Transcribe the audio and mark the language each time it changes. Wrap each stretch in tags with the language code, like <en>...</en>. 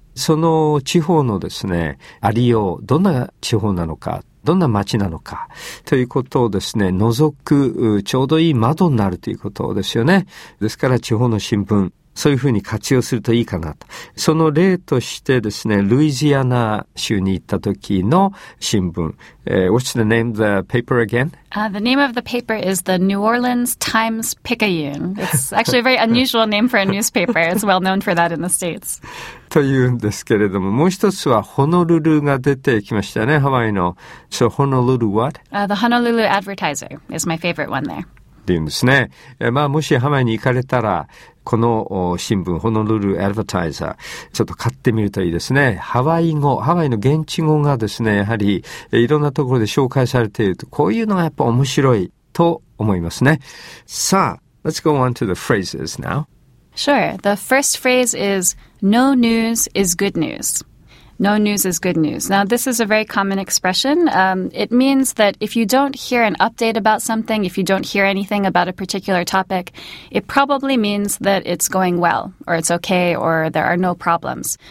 <ja>その地方のですね、ありよう、どんな地方なのか、どんな街なのか、ということをですね、覗く、ちょうどいい窓になるということですよね。ですから、地方の新聞、そういうふうに活用するといいかなと。その例としてですね、ルイジアナ州に行った時の新聞。</ja> <en>What's the name of the paper again? The name of the paper is the New Orleans Times-Picayune. It's actually a very unusual name for a newspaper. It's well known for that in the States.</en> <ja>というんですけれども、もう一つはホノルルが出てきましたね、ハワイの。</ja> <en>So, Honolulu what? The Honolulu Advertiser is my favorite one there.</en> <ja>っていうんですね。まあ、もしハワイに行かれたら、この新聞、ホノルルアドバタイザー、ちょっと買ってみるといいですね。ハワイ語、ハワイの現地語がですね、やはりいろんなところで紹介されていると、こういうのがやっぱ面白いと思いますね。</ja> <en>さあ、let's go on to the phrases now. Sure. The first phrase is, no news is good news. No news is good news. Now, this is a very common expression. It means that if you don't hear an update about something, if you don't hear anything about a particular topic, it probably means that it's going well, or it's okay, or there are no problems.</en>